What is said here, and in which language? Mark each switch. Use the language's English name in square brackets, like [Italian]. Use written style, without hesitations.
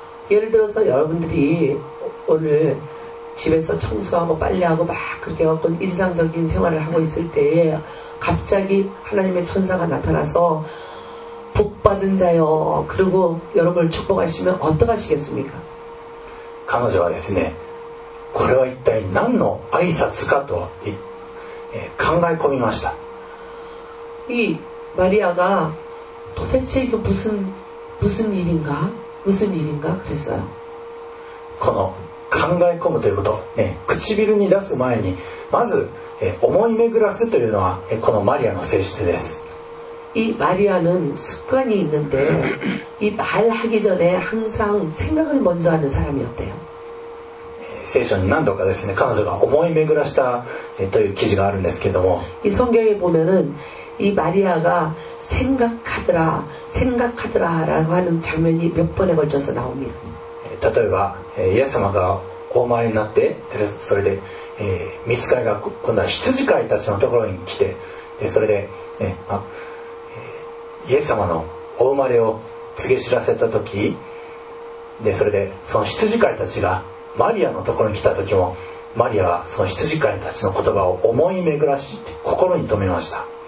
[Korean] 예를들어서여러분들이오늘집에서청소하고빨래하고막그렇게어떤일상적인생활을하고있을때에갑자기하나님의천사가나타나서복받은자여그리고여러분을축복하시면어떠하시겠습니까 [Japanese] 彼女はですね、これは一体何の挨拶かと考え込みました。 [Korean] 이마리아가도대체이게무슨일인가무슨일인가그랬어요。 [Japanese] この考え込むということ、唇に出す前にまず、思い巡らすというのは、このマリアの性質です。 [Korean] 이마리아는습관이있는데이말하기전에항상생각을먼저하는사람이었대요。 [Japanese] 聖書に何度かですね、彼女が思い巡らした、という記事があるんですけども、 [Korean] 이성경에보면은이마리아가생각하더라생각하더라라고하는장면이몇번에걸쳐서나옵니다。 [Japanese] 例えばイエス様がお生まれになって、それで、御使いが今度は羊飼いたちのところに来て、でそれで、イエス様のお生まれを告げ知らせた時、でそれでその羊飼いたちがマリアのところに来た時も、マリアはその羊飼いたちの言葉を思い巡らし心に留めました。